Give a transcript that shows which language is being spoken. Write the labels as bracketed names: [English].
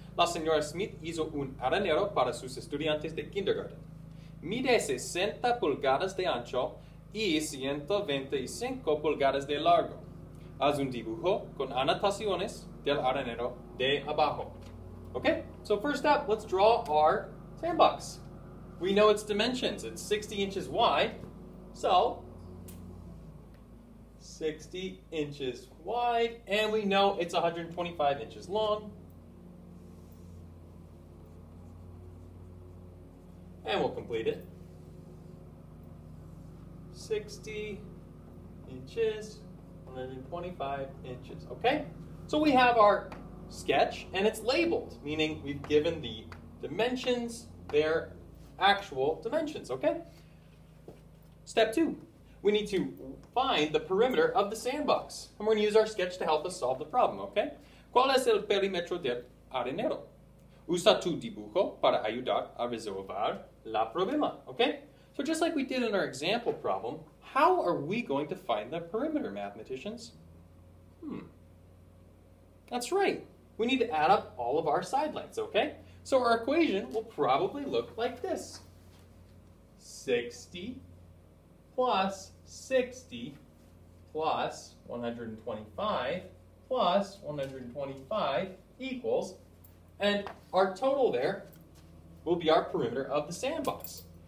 [Spanish] La señora Smith hizo un aranero para sus estudiantes de kindergarten. Mide 60 pulgadas de ancho y 125 pulgadas de largo. Haz un dibujo con anotaciones del aranero de abajo. [English] Okay, so first up, let's draw our sandbox. We know its dimensions. It's 60 inches wide. So, 60 inches wide, and we know it's 125 inches long. And we'll complete it. 60 inches, 125 inches, okay? So we have our sketch and it's labeled, meaning we've given the dimensions their actual dimensions, okay? Step two, we need to find the perimeter of the sandbox. And we're gonna use our sketch to help us solve the problem, okay? [Spanish] ¿Cuál es el perímetro del arenero? Usa tu dibujo para ayudar a resolver la problema, okay? [English] So just like we did in our example problem, how are we going to find the perimeter, mathematicians? That's right. We need to add up all of our side lengths, okay? So our equation will probably look like this. 60 plus 60 plus 125 plus 125 equals, and our total there will be our perimeter of the sandbox.